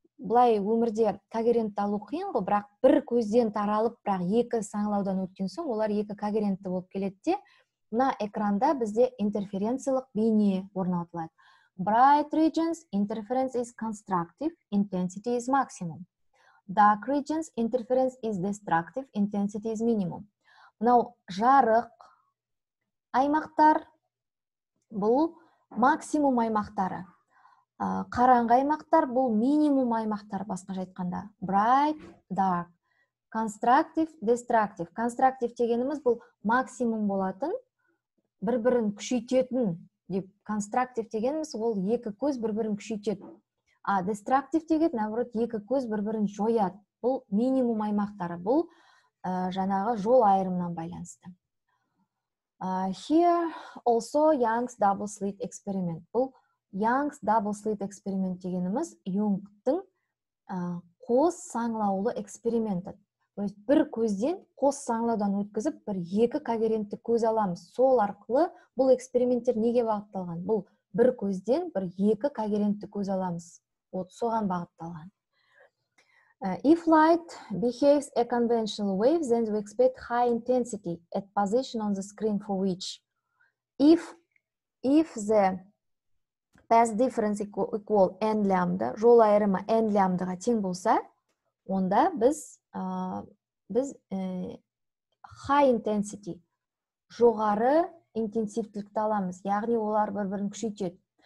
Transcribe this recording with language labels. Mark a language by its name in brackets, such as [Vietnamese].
[Kazakh] Былай өмірде когерентті алу қиын ғой, бірақ бір көзден таралып, бірақ екі саңлаудан өткен соң олар екі когерентті болып келеді де, мына экранда бізде интерференциялық бейне орнатылады. [English] Bright regions interference is constructive, intensity is maximum. Dark regions interference is destructive, intensity is minimum. [Kazakh] Мынау жарық аймақтар, бұл максимум аймақтары. Қараңғы аймақтар, бұл минимум аймақтар басқа жайтқанда. [English] Bright, dark. Constructive, destructive. [Kazakh] Constructive дегеніміз бұл максимум болатын, бір-бірін күшейтетін. Деп, constructive дегеніміз ол екі көз бір-бірін күшейтеді. А destructive деген, [Russian] наоборот, [Kazakh] екі көз бір-бірін жояды. Бұл минимум аймақтары, бұл жаңағы жол айырымынан байланысты. [English] Here also Young's double slit experiment. [Kazakh] Бұл [English] Young's double slit experiment [Kazakh] дегеніміз Young-тың қос саңлаулы эксперименті. [Russian] То есть [Kazakh] бір көзден қос саңлаудан өткізіп, бір екі когерентті көз аламыз. Сол арқылы бұл эксперименттер неге бағытталған? Бұл бір көзден бір екі когерентті көз аламыз. [Russian] Вот [Kazakh] соған бағытталған. [English] If light behaves a conventional wave, then we expect high intensity at position on the screen for which. If the path difference equal n lambda, [Kazakh] жол айырымы n lambda-ға тең болса, онда біз [English] high intensity, [Kazakh] жоғары интенсивтілікті аламыз, яғни олар бір-бірін күшейтеді.